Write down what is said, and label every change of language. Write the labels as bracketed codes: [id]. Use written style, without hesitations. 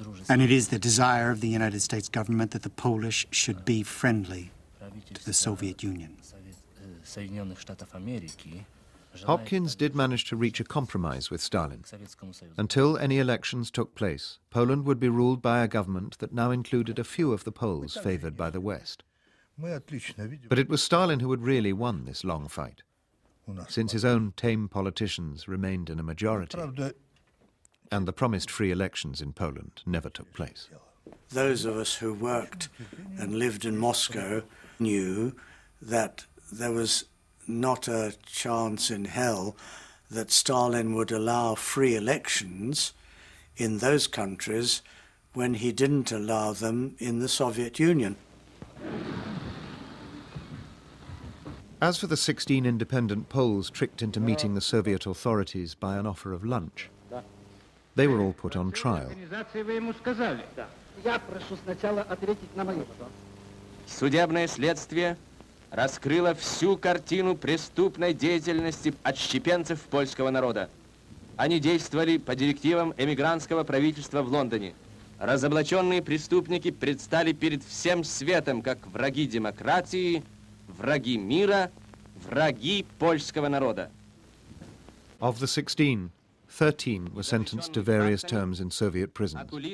[en] And it is the desire of the United States government that the Polish should be friendly to the Soviet Union. [ru] Соединенных Штатов Америки, [en] Hopkins did manage to reach a compromise with Stalin. Until any elections took place, Poland would be ruled by a government that now included a few of the Poles favored by the West. But it was Stalin who had really won this long fight, since his own tame politicians remained in a majority, and the promised free elections in Poland never took place. Those of us who worked and lived in Moscow knew that there was not a chance in hell that Stalin would allow free elections in those countries when he didn't allow them in the Soviet Union. As for the 16 independent Poles tricked into meeting the Soviet authorities by an offer of lunch, they were all put on trial. [ru] Судебное следствие раскрыло всю картину преступной деятельности отщепенцев польского народа. Они действовали по директивам эмигрантского правительства в Лондоне. Разоблаченные преступники предстали перед всем светом как враги демократии, враги мира, враги польского народа. [en] Of the 16, 13 were sentenced to various terms in Soviet prisons.